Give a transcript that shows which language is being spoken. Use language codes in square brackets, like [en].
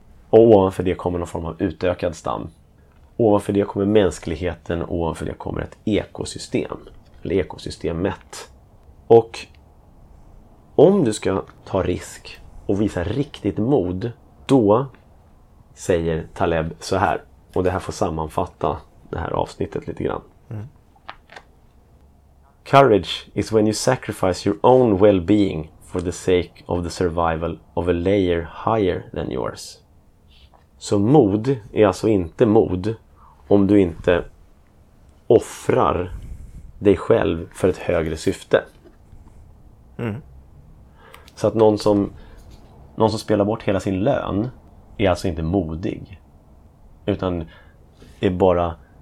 [sv] Och ovanför det kommer någon form av utökad stam. Ovanför det kommer mänskligheten och ovanför det kommer ett ekosystem. Eller ekosystemet. Och om du ska ta risk och visa riktigt mod, då säger Taleb så här. Och det här får sammanfatta det här avsnittet lite grann. [en] Courage is when you sacrifice your own well-being for the sake of the survival of a layer higher than yours. [sv] Så mod är alltså inte mod om du inte offrar dig själv för ett högre syfte. Mm. Så att någon som spelar bort hela sin lön är alltså inte modig, utan är bara